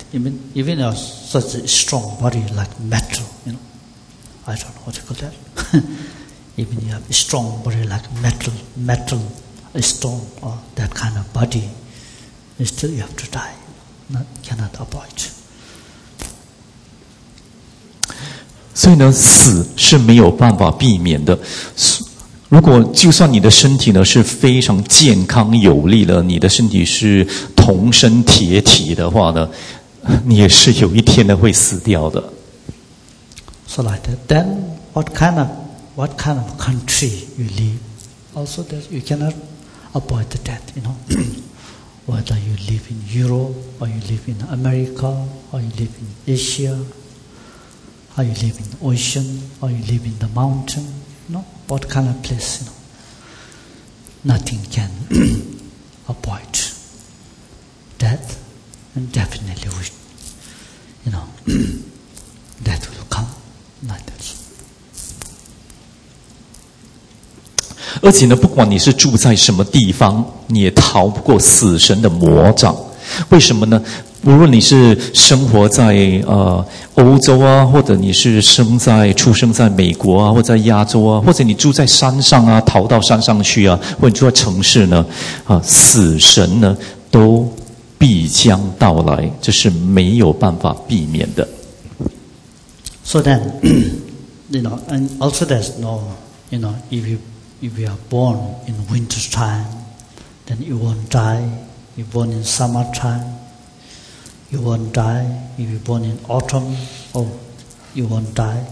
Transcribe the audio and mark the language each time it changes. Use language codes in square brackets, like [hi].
[en] Even a such a strong body like metal, you know, I don't know what you call that. Even you have a strong body like metal, a stone, or that kind of body, you still you have to die. Not, cannot avoid. [zh] 所以呢，死是没有办法避免的。如果就算你的身体呢是非常健康有力的，你的身体是铜身铁体的话呢，你也是有一天呢会死掉的。 [en] So like that, then what kind of country you live? Also that you cannot avoid the death, you know. Whether you live in Europe, or you live in America, or you live in Asia, or you live in the ocean, or you live in the mountain, you know. What kind of place, you know, nothing can avoid death, and definitely we, you know, death will come, not death. [zh] 而且呢，不管你是住在什么地方，你也逃不过死神的魔掌。为什么呢？无论你是生活在欧洲啊，或者你是出生在美国啊，或者在亚洲啊，或者你住在山上啊，逃到山上去啊，或者你住在城市呢，死神呢都必将到来，这是没有办法避免的。 [en] So then, you know, and also there's no, you know, if you are born in winter time, then you won't die. If born in summer time. You won't die. If you're born in autumn, oh, you won't die.